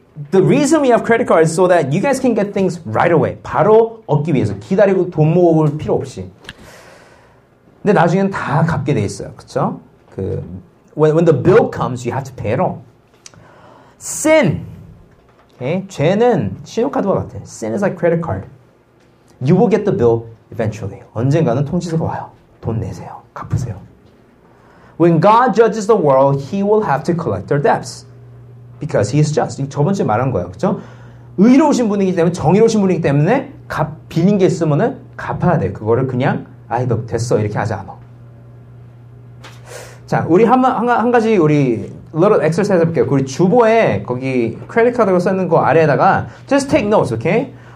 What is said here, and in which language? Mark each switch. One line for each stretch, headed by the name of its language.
English: The reason we have credit cards is so that you guys can get things right away.
Korean: 바로 얻기 위해서. 기다리고 돈 모을 필요 없이. 근데 나중엔 다 갚게 돼 있어요. 그쵸?
English: When the bill comes, you have to pay it all. Sin. Okay.
Korean: 죄는 신용카드와 같아.
English: Sin is like credit card. You will get the bill eventually.
Korean: 언젠가는 통지서가 와요. 돈 내세요. 갚으세요.
English: When God judges the world, He will have to collect their debts, because He is just.
Korean: 저번 주에 말한 거예요, 그렇죠? 의로우신 분이기 때문에, 정의로우신 분이기 때문에 빌린 게 있으면은 갚아야 돼. 그거를 그냥 아이 너 됐어 이렇게 하지 않아. 자, 우리 한 가지 우리 little exercise 해볼게요. 우리 주보에 거기 credit card로 쓰는 거 아래에다가
English: just take notes, okay?